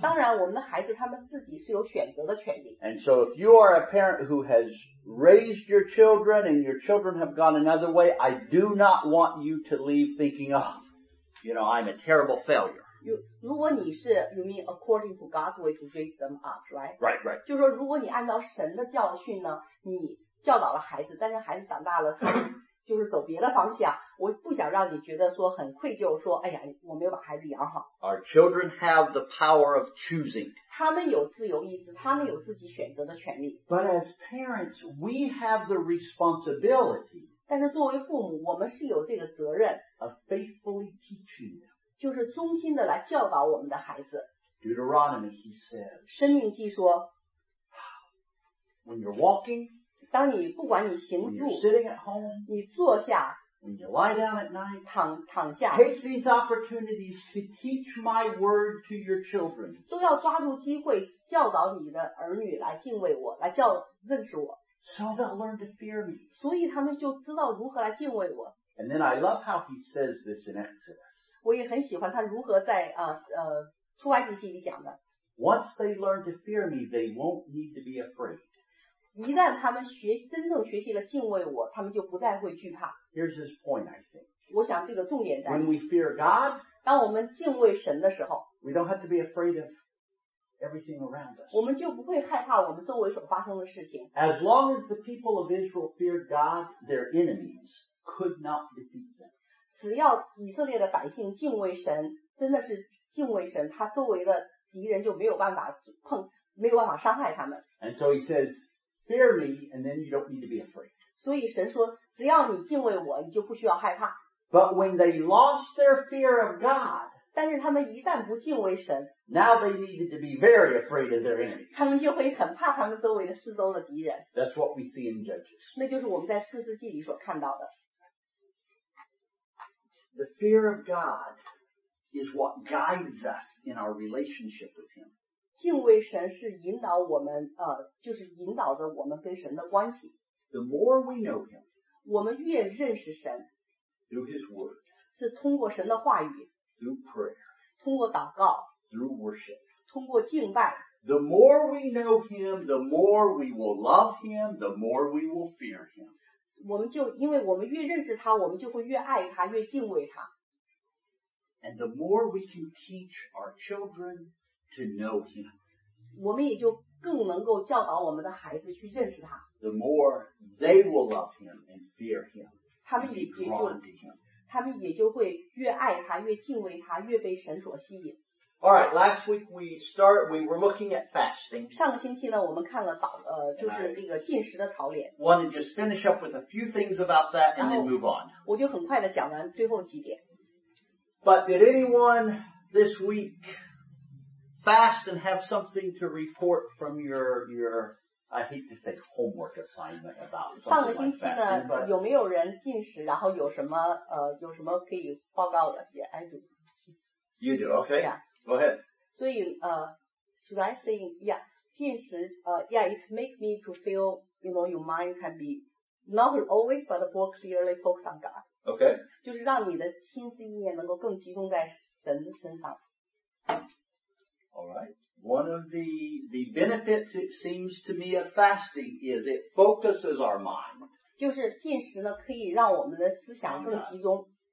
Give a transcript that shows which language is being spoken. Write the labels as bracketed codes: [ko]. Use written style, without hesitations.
[zh] 当然我们的孩子他们自己是有选择的权利。 [en] And so if you are a parent who has raised your children and your children have gone another way, I do not want you to leave thinking, oh, you know, I'm a terrible failure. You mean according to God's way to raise them up, right? Right, right. [zh] 就是说如果你按照神的教训呢, 你教导了孩子, 但是孩子长大了, 就是走别的方向, 我不想让你觉得说很愧疚, 说, 哎呀, 我没有把孩子养好。 [en] Our children have the power of choosing. [zh] 他们有自由意志, 他们有自己选择的权利。 [en] But as parents, we have the responsibility, [zh] 但是作为父母, 我们是有这个责任, [en] of faithfully teaching them. [zh] 就是忠心的来教导我们的孩子。 [en] Deuteronomy, he says, [zh] 申命记说, [en] when you're walking, [zh] 当你不管你行路, [en] when you're sitting at home, [zh] 你坐下, [en] when you lie down at night, [zh] 躺下, [en] take these opportunities to teach my word to your children. [zh] 都要抓住机会教导你的儿女来敬畏我, 来教认识我, [en] so they'll learn to fear me. [zh] 所以他们就知道如何来敬畏我。 [en] And then I love how he says this in Exodus. [zh] 我也很喜欢他如何在, 出埃及记里讲的。 [en] Once they learn to fear me, they won't need to be afraid. [zh] 一旦他们学, 真正学习了敬畏我, 他们就不再会惧怕。 [en] Here's his point, I think. [zh] 我想这个重点在, [en] when we fear God, [zh] 当我们敬畏神的时候, [en] we don't have to be afraid of everything around us. [zh] 我们就不会害怕我们周围所发生的事情。 [en] As long as the people of Israel feared God, their enemies could not defeat them. [zh] 只要以色列的百姓敬畏神, 真的是敬畏神, 他周围的敌人就没有办法碰, 没有办法伤害他们。 [en] And so he says, fear me, and then you don't need to be afraid. [zh] 所以神说, 只要你敬畏我, 你就不需要害怕。 [en] But when they lost their fear of God, [zh] 但是他们一旦不敬畏神, [en] now they needed to be very afraid of their enemies. [zh] 他们就会很怕他们周围的四周的敌人。 [en] That's what we see in Judges. [zh] 那就是我们在士师记里所看到的。 [en] The fear of God is what guides us in our relationship with Him. [zh] 敬畏神是引导我们, 就是引导着我们跟神的关系。 [en] The more we know Him, [zh] 我们越认识神, [en] through His Word, [zh] 是通过神的话语, [en] through prayer, [zh] 通过祷告, [en] through worship, [zh] 通过敬拜, [en] the more we know Him, the more we will love Him, the more we will fear Him. [zh] 我们就因为我们越认识他, 我们就会越爱他, 越敬畏他。 [en] And the more we can teach our children to know Him, [zh] 我们也就更能够教导我们的孩子去认识他。 [en] The more they will love Him and fear Him, [zh] 他们也就, [en] and be drawn to Him. [zh] 他们也就会越爱他, 越敬畏他, 越被神所吸引。 [en] Alright, last week we were looking at fasting. [zh] 上个星期呢, 我们看了祷, 就是这个禁食的操练。 [en] Want to just finish up with a few things about that and then move on. [zh] 我就很快地讲完最后几点。 [en] But did anyone this week fast and have something to report from your I hate to say homework assignment about something like that. [zh] 上个星期呢，有没有人进食，然后有什么可以报告的？ [en] Yeah, I do. You do, okay. Yeah. Go ahead. [zh] 所以, [en] should I say, yeah, 进食, yeah, it makes me to feel, you know, your mind can be not always, but more clearly focused on God. Okay. [zh] 就是让你的心思意念能够更集中在神身上。 [en] Alright. One of the benefits, it seems to me, of fasting is it focuses our mind. [zh] 就是进食呢，可以让我们的思想更集中。